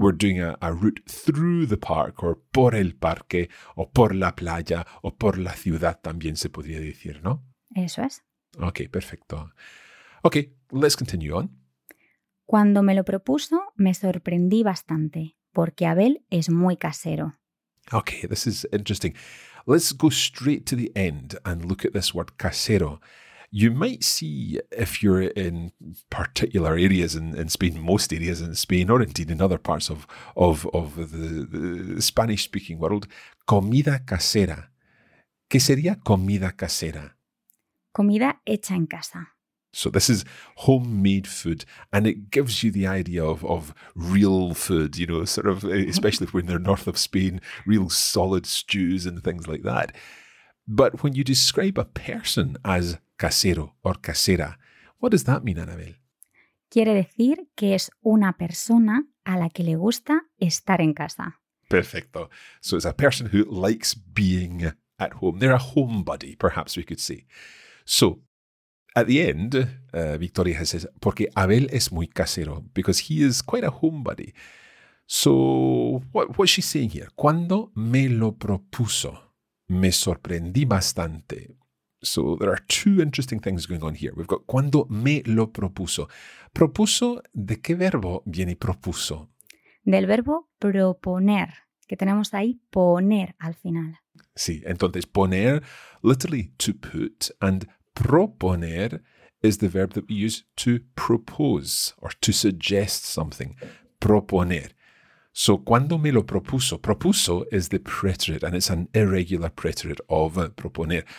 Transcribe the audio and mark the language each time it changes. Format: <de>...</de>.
<en>We're doing a route through the park, or</en> <es>por el parque, o por la playa, o por la ciudad también se podría decir, ¿no? Eso es.</es> <en>Okay, perfecto. Okay, let's continue on.</en> <es>Cuando me lo propuso, me sorprendí bastante, porque Abel es muy casero.</es> <en>Okay, this is interesting. Let's go straight to the end and look at this word casero. You might see, if you're in particular areas in Spain, most areas in Spain, or indeed in other parts of the Spanish-speaking world,</en> <es>comida casera. ¿Qué sería comida casera? Comida hecha en casa.</es> <en>So this is homemade food, and it gives you the idea of real food, you know, sort of, especially if we're in the north of Spain, real solid stews and things like that. But when you describe a person as casero or casera, what does that mean, Anabel?</en> <es>Quiere decir que es una persona a la que le gusta estar en casa. Perfecto.</es> <en>So it's a person who likes being at home. They're a homebody, perhaps we could say. So at the end, Victoria has said,</en> <es>porque Abel es muy casero,</es> <en>because he is quite a homebody. So, what's she saying here?</en> <es>Cuando me lo propuso, me sorprendí bastante.</es> <en>So, there are two interesting things going on here. We've got</en> <es>cuando me lo propuso. Propuso, ¿de qué verbo viene propuso? Del verbo proponer, que tenemos ahí poner al final. Sí, entonces poner,</es> <en>literally to put, and proponer is the verb that we use to propose or to suggest something. Proponer. So</en> <es>cuando me lo propuso,</es> <en>propuso is the preterite and it's an irregular preterite of proponer.</en>